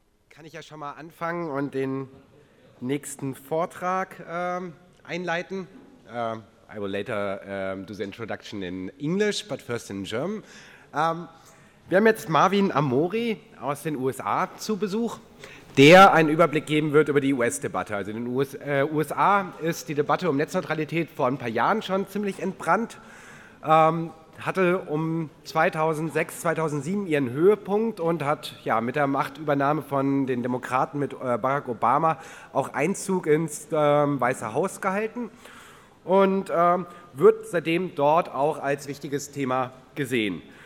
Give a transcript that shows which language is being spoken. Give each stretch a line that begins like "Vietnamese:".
German: kann ich ja schon mal anfangen und den nächsten Vortrag einleiten.
English: I will later do the introduction in English, but first in German.
German: Wir haben jetzt Marvin Amori aus den USA zu Besuch, der einen Überblick geben wird über die US-Debatte. Also in den USA ist die Debatte um Netzneutralität vor ein paar Jahren schon ziemlich entbrannt. Hatte um 2006, 2007 ihren Höhepunkt und hat ja mit der Machtübernahme von den Demokraten mit Barack Obama auch Einzug ins Weiße Haus gehalten und wird seitdem dort auch als wichtiges Thema gesehen.